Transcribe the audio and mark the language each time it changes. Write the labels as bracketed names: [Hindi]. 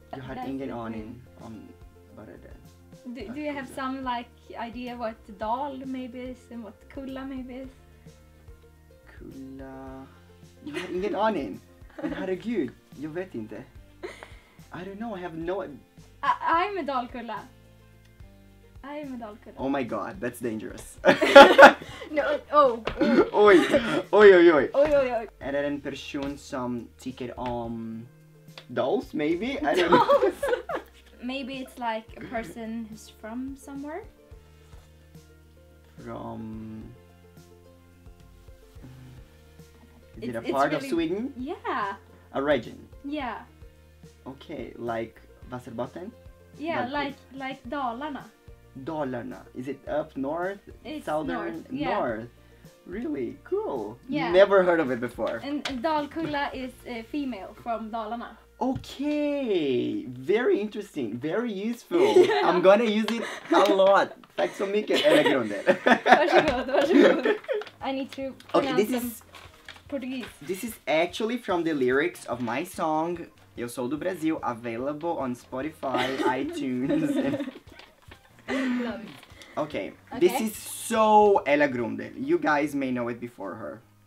[Swedish] Jag har ingen aning om vad det är. [English] Do you have some like idea what dal maybe is and what kulla maybe is? [Swedish] Kulla. Jag har ingen aning. Men herregud, jag vet inte. [English] I don't know, I have no... I'm a dalkulla. I'm a dalkulla. Oh my god, that's dangerous. No, oh. Oj, oj, oj, oj. Oj, oj, oj. [Swedish] Är det en person som tycker om... [English] Dolls, maybe? I don't know. Maybe it's like a person who's from somewhere? From... Is it a part really... of Sweden? Yeah. A region? Yeah. Okay, like Västerbotten? Yeah, like Dalarna. Dalarna. Is it up north? It's southern? North. Yeah. Really? Cool. Yeah. Never heard of it before. And Dalkulla is a female from Dalarna. Okay, very interesting, very useful. Yeah. I'm gonna use it a lot. [Swedish] Tack så mycket, Ella Grundel. Varsågod. [English] I need to pronounce this is, Portuguese. This is actually from the lyrics of my song, Eu Sou do Brasil, available on Spotify, iTunes. Love it. Okay, this is so Ella Grundel. You guys may know it before her.